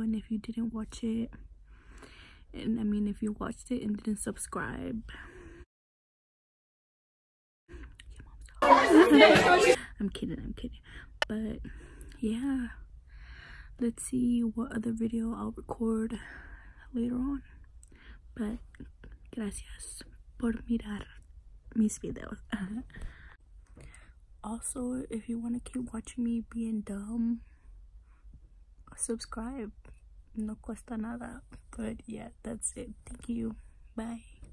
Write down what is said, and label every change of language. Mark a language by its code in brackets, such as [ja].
[en] And if you didn't watch it, and I mean if you watched it and didn't subscribe, I'm kidding, but yeah, let's see what other video I'll record later on. [es] But gracias por mirar mis videos. [en] Also, if you want to keep watching me being dumb, subscribe, [es] no cuesta nada. [en] But yeah, that's it. Thank you, bye.